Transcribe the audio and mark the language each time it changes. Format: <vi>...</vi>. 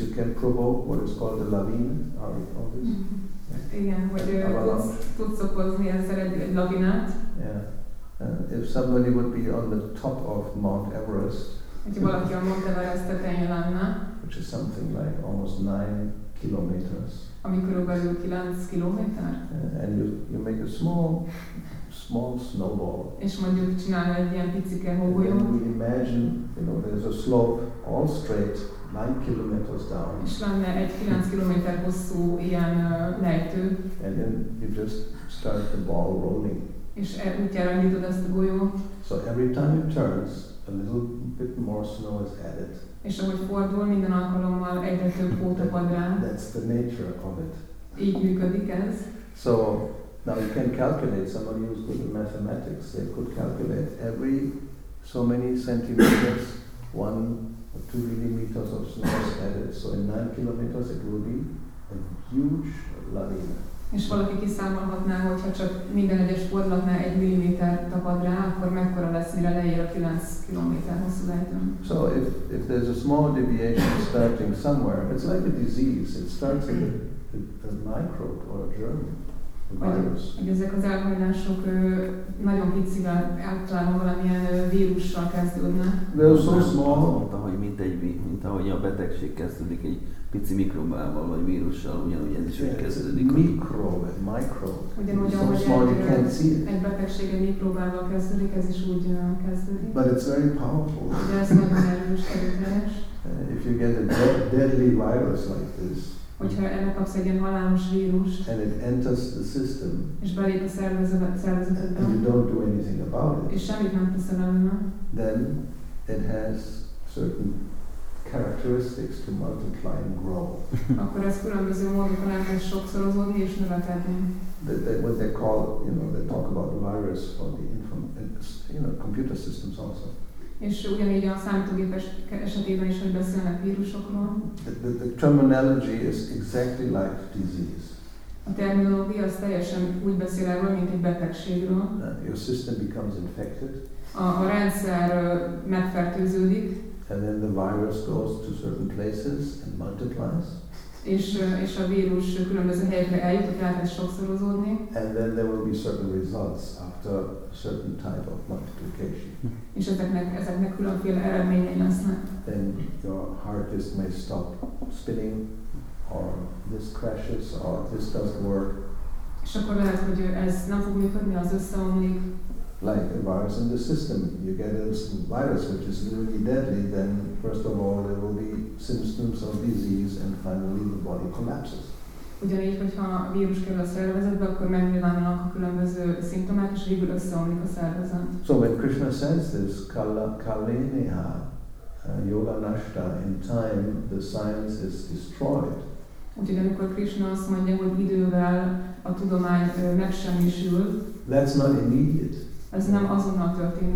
<en>You can provoke what is called a lavine. How do you call this?</en> <hu>Igen, hogy tudsz okozni ezzel egy lavinát.</hu> <en>Yeah. If somebody would be on the top of Mount Everest,</en> <hu>hogyha valaki a Mount Everest tetején lenne,</hu> <en>which is something like almost 9 kilometers,</en> <hu>ami körülbelül 9 kilométer,</hu> <en>and you make a small snowball.</en> <hu>És mondjuk csinálni egy ilyen picike hógolyót.</hu> <en>We imagine, you know, there's a slope all straight 9 kilometers down.</en> <hu>És lenne egy 9 kilométer hosszú ilyen lejtő.</hu> <en>And then you just start the ball rolling.</en> <hu>És úgy elindítod ezt a golyót.</hu> <en>So every time it turns, a little bit more snow is added.</en> <hu>És ahogy fordul, minden alkalommal egyre több hótapad rá.</hu> <en>That's the nature of it.</en> <hu>Így működik ez.</hu> <en>So now you can calculate, somebody who's good at mathematics, they could calculate every so many centimeters, 1 or 2 millimeters of snow is added. So in 9 kilometers it will be a huge lavina.</en> <hu>És valaki kiszámolhatná, hogyha csak minden egyes fordulatnál egy milliméter tapad rá, akkor mekkora lesz, mire leér a 9 kilométer hosszú lejtőn.</hu> <en>So if there's a small deviation starting somewhere, it's like a disease, it starts in a microbe or a germ.</en> <hu>Hogy ezek az elhajlások nagyon picivel általában valamilyen vírussal kezdődnek.</hu> <en>So small.</en> <hu>Mondta, hogy mint ahogy a betegség kezdődik egy pici mikrobával vagy vírussal, ugyanúgy ez is úgy kezdődik.</hu> <en>Microbe, micro.</en> <hu>Ugyanúgy</hu> <en>so</en> <hu>ahogy</hu> <en>small, you can't see it.</en> <hu>Egy betegség egy mikrobával kezdődik, ez is úgy kezdődik.</hu> <en>But it's very powerful.</en> <hu>De ez nagyon erős, erőteljes.</hu> <en>If you get a deadly virus like this,</en> <hu>hogyha elkapsz egy ilyen halálos vírust,</hu> <en>and it enters the system,</en> <hu>és belép a szervezetedbe,</hu> <en>and you don't do anything about it,</en> <hu>és semmit nem teszel ellene,</hu> <en>then it has certain characteristics to multiply and grow.</en> <hu>Akkor ez különböző módokon elkezd sokszorozódni és növekedni.</hu> <en>What they call, you know, they talk about the virus for the computer systems also.</en> <hu>És ugyanígy a számítógépes esetében is, hogy beszélnek vírusokról.</hu> <en>The terminology is exactly like disease.</en> <hu>A terminológia az teljesen úgy beszél erről, mint egy betegségről.</hu> <en>Your system becomes infected.</en> <hu>A rendszer megfertőződik.</hu> <en>And then the virus goes to certain places and multiplies.</en> <hu>És a vírus különböző helyekre eljut, hogy elkezd sokszorozódni.</hu> <en>And then there will be certain results after a certain type of multiplication.</en> <hu>És ezeknek különféle eredményei lesznek.</hu> <en>Then your heart just may stop spinning, or this crashes, or this doesn't work.</en> <hu>És akkor lehet, hogy ez nem fog működni, az összeomlik.</hu> <en>Like a virus in the system, you get a virus which is really deadly, then first of all there will be symptoms of disease and finally the body collapses.</en> <hu>Ugyanígy, hogyha a vírus kerül a szervezetbe, akkor megnyilvánulnak a különböző szimptomák, és végül összeomlik a szervezet.</hu> <en>So when Krishna says this, kaleneha, yoga nashta, in time the science is destroyed.</en> <hu>Úgyhogy amikor Krishna azt mondja, hogy idővel a tudomány megsemmisül,</hu> <en>that's not immediate.</en> <hu>Ez nem azonnal történik.</hu>